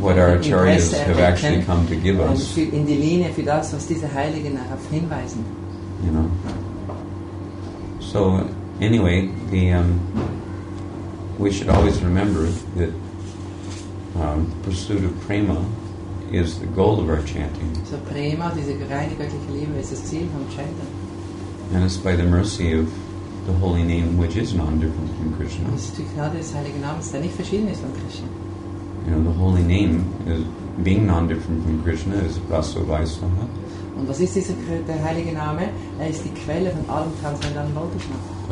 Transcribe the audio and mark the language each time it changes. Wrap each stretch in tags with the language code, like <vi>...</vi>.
<en>what our acharyas have actually come to give us</en> <de>in die Linie für das, was diese Heiligen darauf hinweisen.</de> <en>You know. So anyway, the we should always remember that. The pursuit of prema is the goal of our chanting.</en> <de>So prema, diese reine göttliche Liebe, ist das Ziel vom Chanten.</de> <en>And it's by the mercy of the holy name, which is non-different from Krishna.</en> <de>Es ist die Gnade des heiligen Namens, der nicht verschieden ist von Krishna.</de> <en>You know, the holy name is being non-different from Krishna is Rasa Vaisnava.</en> <de>Und was ist dieser der heilige Name? Er ist die Quelle von allem transzendentalen Vaisnava.</de>